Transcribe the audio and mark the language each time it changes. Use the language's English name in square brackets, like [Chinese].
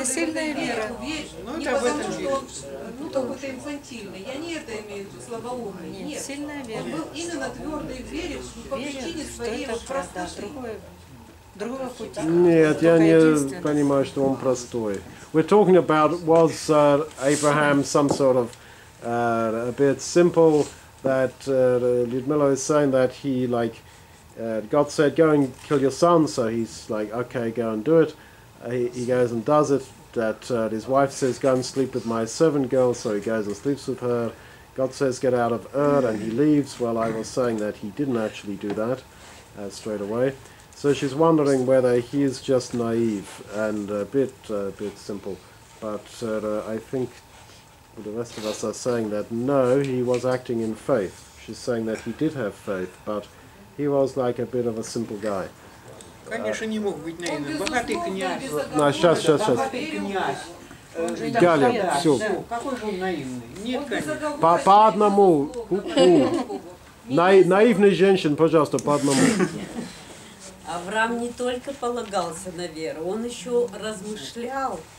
[Russian] Это сильная вера. Ну, не потому, что он какой-то инфантильный. Я не это имею в виду, слабоумный. Нет, сильная вера. Он был именно твердый в вере, по причине своей простоты. Другого пути. Нет, я не понимаю, что он простой. [English] We're talking about, was Abraham some sort of a bit simple... That Lyudmila is saying that he God said, go and kill your son. So he's like, okay, go and do it. He goes and does it. That his wife says, go and sleep with my servant girl. So he goes and sleeps with her. God says, get out of Ur, and he leaves. Well, I was saying that he didn't actually do that straight away. So she's wondering whether he is just naive and a bit simple. But I think. The rest of us are saying that no, he was acting in faith. She's saying that he did have faith, but he was like a bit of a simple guy. [Russian] Конечно, не мог быть наивным. Богатый князь. Ну, сейчас. Галя, все. Какой же он наивный? Нет, конечно. По одному. Наивных женщин, пожалуйста, по одному. Авраам не только полагался на веру, он еще размышлял.